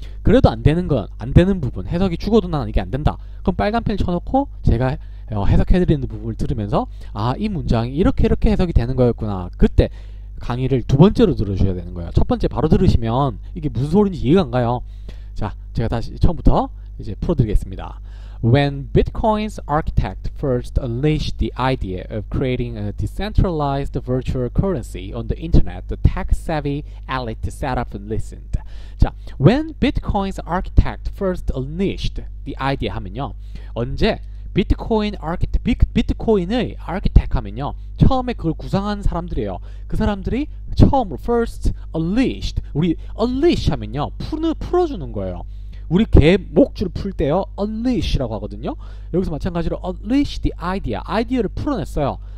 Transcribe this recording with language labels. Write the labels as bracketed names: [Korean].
[Korean] 그래도 안 되는 건안 되는 부분, 해석이 죽어도 나는 이게 안 된다. 그럼 빨간 펜 쳐놓고 제가 해석해 드리는 부분을 들으면서 아, 이 문장이 이렇게 이렇게 해석이 되는 거였구나. 그때 강의를 두 번째로 들으셔야 되는 거예요. 첫 번째 바로 들으시면 이게 무슨 소리인지 이해가 안 가요. 자, 제가 다시 처음부터 이제 풀어드리겠습니다. [English] When Bitcoin's architect first unleashed the idea of creating a decentralized virtual currency on the internet, the tech-savvy elite sat up and listened. [Korean] 자, [English] When Bitcoin's architect first unleashed the idea [Korean] 하면요. 언제? Bitcoin의 architect 하면요. 처음에 그걸 구상한 사람들이에요. 그 사람들이 처음으로 first unleashed. 우리 unleash 하면요. 풀어주는 거예요. 우리 개 목줄을 풀 때요, unleash라고 하거든요. 여기서 마찬가지로 unleash the idea, 아이디어를 풀어냈어요.